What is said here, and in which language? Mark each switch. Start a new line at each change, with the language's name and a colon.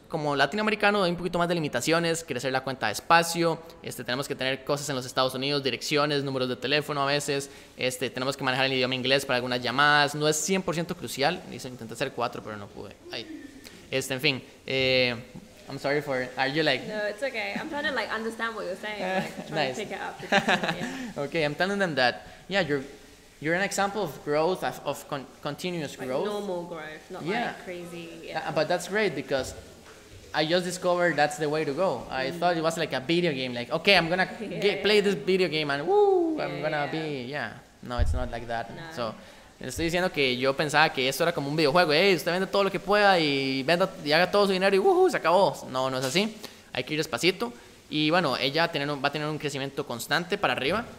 Spanish: Como latinoamericano hay un poquito más de limitaciones, crecer la cuenta despacio, tenemos que tener cosas en los Estados Unidos, direcciones, números de teléfono a veces, tenemos que manejar el idioma inglés para algunas llamadas, no es 100% crucial, intenté hacer 4 pero no pude, ahí. En fin,
English: I'm sorry for it. Are you like... No, it's okay. I'm trying to, like, understand what you're saying. Like, trying to pick it up. Okay, I'm telling them that, you're an example of growth, of continuous growth. Like, normal growth, not, like, crazy. But that's great because I just discovered that's the way to go. I thought it was like a video game, like, okay, I'm gonna play this video game and No, it's not like that. No.
Spanish: So, estoy diciendo que yo pensaba que esto era como un videojuego. Hey, usted vende todo lo que pueda y venda y haga todo su dinero y se acabó. No, no es así. Hay que ir despacito. Y bueno, ella va a tener un crecimiento constante para arriba.